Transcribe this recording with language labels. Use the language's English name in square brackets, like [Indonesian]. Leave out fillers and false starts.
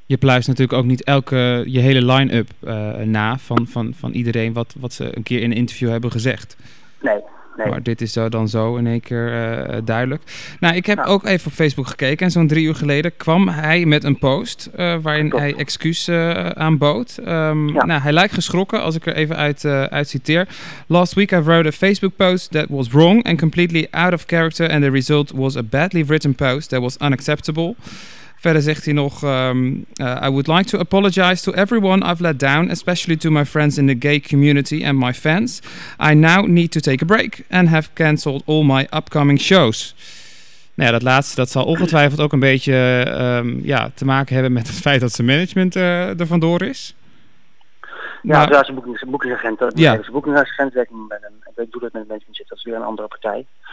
[Dutch] Je pluist natuurlijk ook niet je hele line-up na van iedereen wat ze een keer in een interview hebben gezegd. Nee. Maar dit is dan zo in één keer duidelijk. Nou, ik heb ook even op Facebook gekeken en zo'n 3 uur geleden kwam hij met een post waarin hij excuus aanbood. Hij lijkt geschrokken, als ik er even uit citeer. [English] Last week I wrote a Facebook post that was wrong and completely out of character and the result was a badly written post that was unacceptable. [Dutch] Verder zegt hij nog, [English] I would like to apologize to everyone I've let down, especially to my friends in the gay community and my fans. I now need to take a break and have cancelled all my upcoming shows. [Dutch] Nou ja, dat laatste, dat zal ongetwijfeld ook een beetje te maken hebben met het feit dat zijn management er vandoor is. Ja, maar, dat is een boekingsagent. Ja. Dat is een boekingsagent, ik doe dat met management, dat is weer een andere partij.